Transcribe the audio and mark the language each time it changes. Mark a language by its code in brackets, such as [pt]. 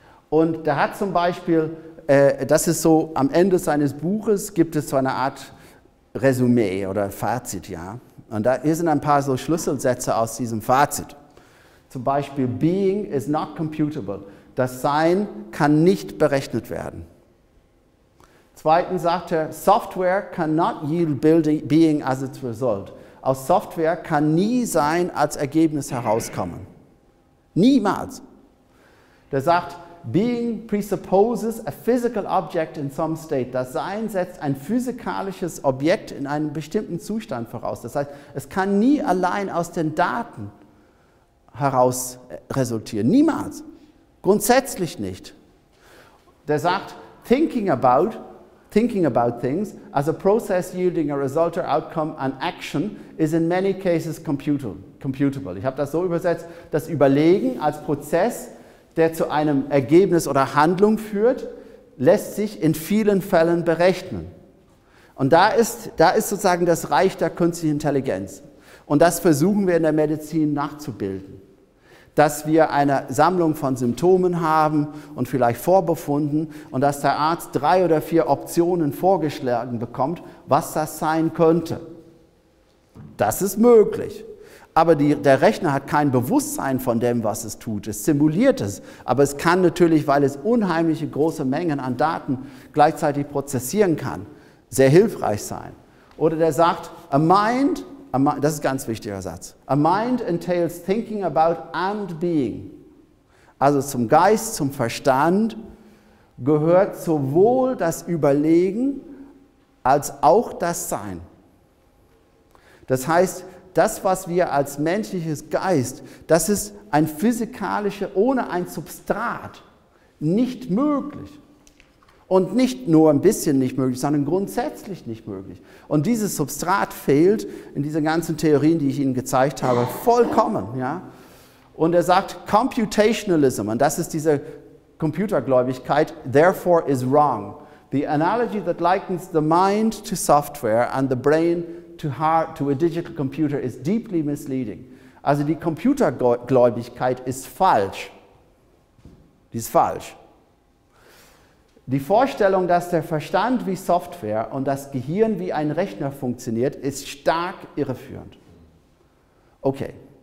[de] Und der hat zum Beispiel, das ist so, am Ende seines Buches gibt es so eine Art Resümee oder Fazit, ja. Und da, hier sind ein paar so Schlüsselsätze aus diesem Fazit. Zum Beispiel, [en] Being is not computable. [de] Das Sein kann nicht berechnet werden. Zweitens sagt er, [en] Software cannot yield building, being as its result. [de] Aus Software kann nie Sein als Ergebnis herauskommen. Niemals. Der sagt, [en] Being presupposes a physical object in some state. [de] Das Sein setzt ein physikalisches Objekt in einem bestimmten Zustand voraus. Das heißt, es kann nie allein aus den Daten heraus resultieren. Niemals. Grundsätzlich nicht. Der sagt, [en] thinking about things as a process yielding a result or outcome, an action, is in many cases computable. [de] Ich habe das so übersetzt, das Überlegen als Prozess, der zu einem Ergebnis oder Handlung führt, lässt sich in vielen Fällen berechnen. Und da ist sozusagen das Reich der künstlichen Intelligenz. Und das versuchen wir in der Medizin nachzubilden. Dass wir eine Sammlung von Symptomen haben und vielleicht Vorbefunden und dass der Arzt 3 oder 4 Optionen vorgeschlagen bekommt, was das sein könnte. Das ist möglich. Aber der Rechner hat kein Bewusstsein von dem, was es tut. Es simuliert es. Aber es kann natürlich, weil es unheimliche große Mengen an Daten gleichzeitig prozessieren kann, sehr hilfreich sein. Oder der sagt, das ist ein ganz wichtiger Satz. [en] A mind entails thinking about and being. [de] Also zum Geist, zum Verstand gehört sowohl das Überlegen als auch das Sein. Das heißt, das, was wir als menschliches Geist, das ist ein physikalisches, ohne ein Substrat, nicht möglich. Und nicht nur ein bisschen nicht möglich, sondern grundsätzlich nicht möglich. Und dieses Substrat fehlt in diesen ganzen Theorien, die ich Ihnen gezeigt habe, vollkommen. Ja? Und er sagt, Computationalism, und das ist diese Computergläubigkeit, [en] therefore is wrong. The analogy that likens the mind to software and the brain to a digital computer is deeply misleading. [de] Also die Computergläubigkeit ist falsch. Die ist falsch. Die Vorstellung, dass der Verstand wie Software und das Gehirn wie ein Rechner funktioniert, ist stark irreführend. Okay.